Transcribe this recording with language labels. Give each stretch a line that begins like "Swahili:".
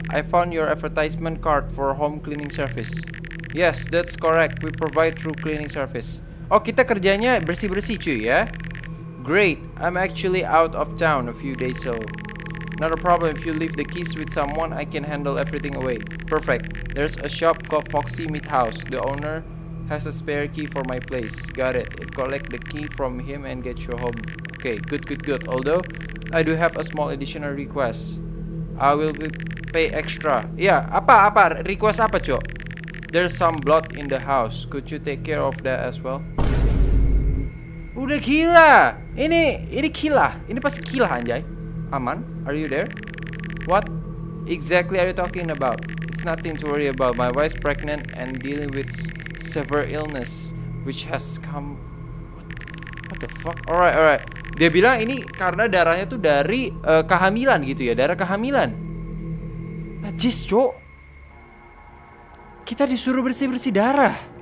English: I found your advertisement card for home cleaning service. Yes, that's correct. We provide true cleaning service.
Indonesian: Oh, kita kerjanya bersih-bersih cuy ya.
English: Great. I'm actually out of town a few days, so not a problem. If you leave the keys with someone, I can handle everything away. Perfect. There's a shop called Foxy Meat House. The owner has a spare key for my place. Got it. Collect the key from him and get your home. Okay, good, good, good. Although, I do have a small additional request. I will pay extra. Yeah,
Indonesian: apa? Request apa, cuy?
English: There's some blood in the house. Could you take care of that as well?
Indonesian: Udah gila. Ini gila. Ini pasti gila, anjay. Aman,
English: are you there? What exactly are you talking about? It's nothing to worry about. My wife's pregnant and dealing with severe illness, which has come. What the fuck? Alright.
Indonesian: Dia bilang ini karena darahnya tuh dari kehamilan gitu ya, darah kehamilan. Najis, cok. Kita disuruh bersih-bersih darah.